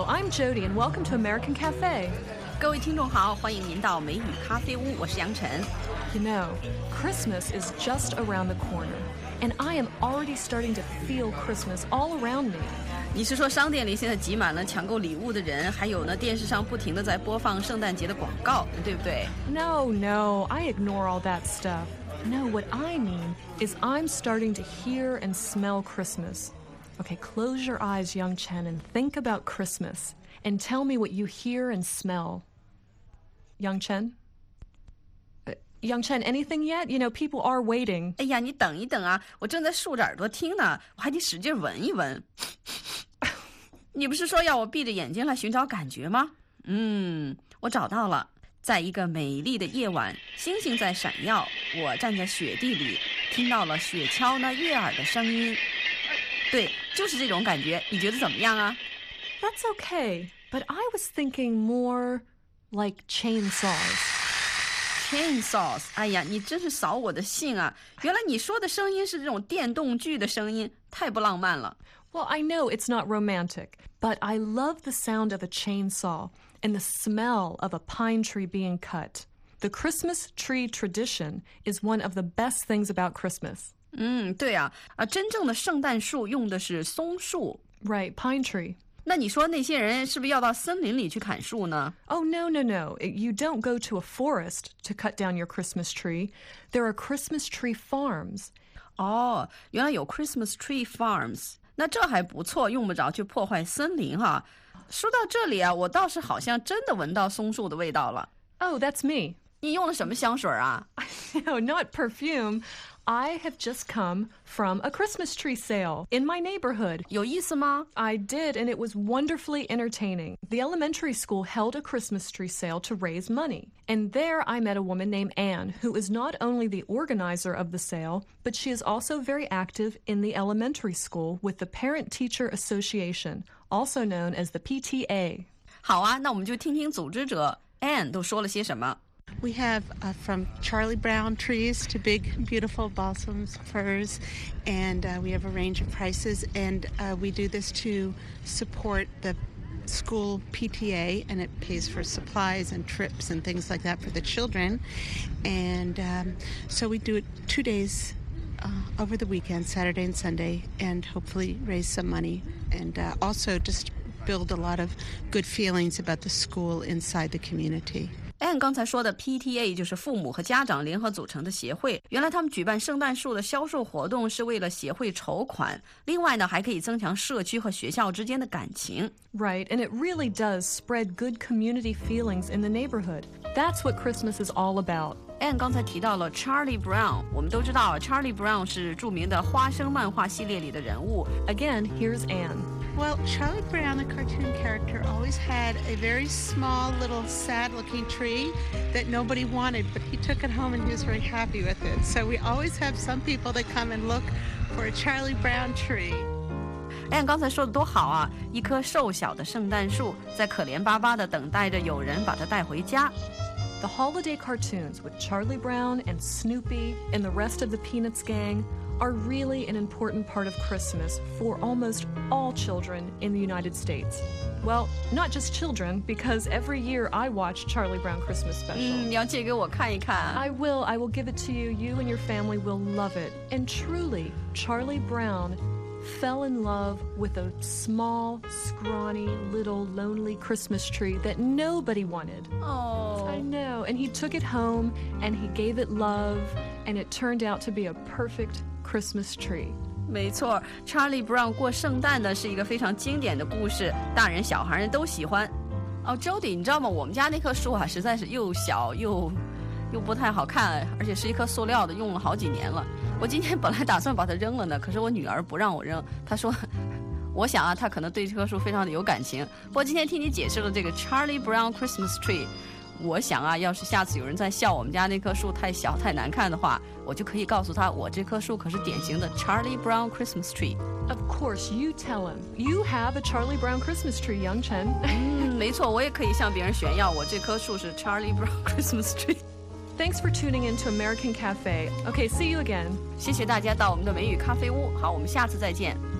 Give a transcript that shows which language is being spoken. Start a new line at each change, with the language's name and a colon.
English: Jody, and welcome to American Cafe.
Chinese: 各位听众好，欢迎您到美语咖啡屋，我是杨晨。
English: You know, Christmas is just around the corner, and I am already starting to feel Christmas all around me.
Chinese: 你是说商店里现在挤满了抢购礼物的人，还有呢，电视上不停地在播放圣诞节的广告，对不对
English: ？No, no, I ignore all that stuff. No, what I mean is I'm starting to hear and smell Christmas. Okay, close your eyes, Yang Chen, and think about Christmas. And tell me what you hear and smell. Yang Chen? Yang Chen, anything yet? You know, people are waiting.
Chinese: 哎呀，你等一等啊，我正在竖着耳朵听呢，我还得使劲闻一闻。你不是说要我闭着眼睛来寻找感觉吗？嗯，我找到了。在一个美丽的夜晚，星星在闪耀，我站在雪地里，听到了雪橇那悦耳的声音。对，就是这种感觉，你觉得怎么样啊？
English: That's okay, but I was thinking more like chainsaws.
Chinese: Chainsaws, 哎呀，你真是扫我的兴啊！原来你说的声音是这种电动锯的声音，太不浪漫了。
English: Well, I know it's not romantic, but I love the sound of a chainsaw and the smell of a pine tree being cut. The Christmas tree tradition is one of the best things about Christmas.
Chinese: 嗯，对啊，啊，真正的圣诞树用的是松树。
English: Right, pine tree.
Chinese: 那你说那些人是不是要到森林里去砍树呢
English: ？Oh no no no! You don't go to a forest to cut down your Christmas tree. There are Christmas tree farms.
Chinese: 哦，原来有
English: Christmas tree farms.
Chinese: 那这还不错，用不着去破坏森林哈。说到这里啊，我倒是好像真的闻到松树的味道了。
English: Oh, that's me.
Chinese: 你用了什么香水啊
English: ？No, not perfume. I have just come from a Christmas tree sale in my neighborhood.
Chinese: 有意思吗?
English: I did, and it was wonderfully entertaining. The elementary school held a Christmas tree sale to raise money. And there I met a woman named Anne, who is not only the organizer of the sale, but she is also very active in the elementary school with the Parent Teacher Association, also known as the PTA.
Chinese: 好啊,那我们就听听组织者 Anne 都说了些什么。
English: We have from Charlie Brown trees to big, beautiful balsams, firs, and we have a range of prices. And we do this to support the school PTA, and it pays for supplies and trips and things like that for the children. And so we do it 2 days over the weekend, Saturday and Sunday, and hopefully raise some money. And also just build a lot of good feelings about the school inside the community.
Chinese: Anne 刚才说的 PTA 就是父母和家长联合组成的协会，原来他们举办圣诞树的销售活动是为了协会筹款，另外呢还可以增强社区和学校之间的感情。
English: Right, and it really does spread good community feelings in the neighborhood. That's what Christmas is all about.
Chinese: Anne 刚才提到了 Charlie Brown, 我们都知道 Charlie Brown 是著名的花生漫画系列里的人物。
English: Again, here's Anne Well, Charlie Brown, the cartoon character, always had a very small, little, sad-looking tree that nobody wanted, but he took it home and he was very happy with it. So we always have some people that come and look for a Charlie Brown tree.
Chinese: Anne 刚才说的多好啊，一棵瘦小的圣诞树在可怜巴巴地等待着有人把它带回家。
English: The holiday cartoons with Charlie Brown and Snoopy and the rest of the Peanuts gang are really an important part of Christmas for almost all children in the United States. Well, not just children, because every year I watch Charlie Brown Christmas special.
Chinese: 你要借给我看一看。
English: I will give it to you. You and your family will love it. And truly, Charlie Brown fell in love with a small, scrawny, little, lonely Christmas tree that nobody wanted. Oh. I know. And he took it home and he gave it love and it turned out to be a perfect Christmas tree.
Chinese: 没错 ,Charlie Brown 过圣诞呢是一个非常经典的故事，大人小孩都喜欢。哦 ,Jody, 你知道吗，我们家那棵树啊实在是又小又不太好看，而且是一棵塑料的，用了好几年了。我今天本来打算把它扔了呢，可是我女儿不让我扔，她说我想啊她可能对这棵树非常的有感情。不过今天听你解释了这个 Charlie Brown Christmas tree,我想啊，要是下次有人再笑我们家那棵树太小太难看的话，我就可以告诉他，我这棵树可是典型的 Charlie Brown Christmas tree。
English: Of course, you tell him you have a Charlie Brown Christmas tree, Yang Chen.
Chinese: 嗯，没错，我也可以向别人炫耀我这棵树是 Charlie Brown Christmas tree。
English: Thanks for tuning in to American Cafe. Okay, see you again.
Chinese: 谢谢大家到我们的美语咖啡屋。好，我们下次再见。